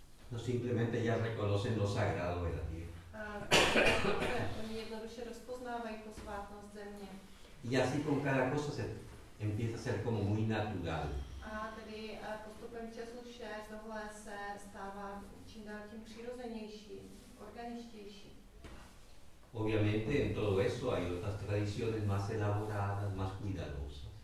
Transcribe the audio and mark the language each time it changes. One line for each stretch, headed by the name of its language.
Spanish: No simplemente ya reconocen lo sagrado de la tierra.
Czech: Oni jednoduše rozpoznávají posvátnost země.
Spanish: Y así con cada cosa se empieza a ser como muy natural.
Czech: A tedy postupem času vše tohle se stává čím dál tím přirozenější, organičtější.
Spanish: Obviamente en todo eso hay otras tradiciones más elaboradas, más cuidadosas.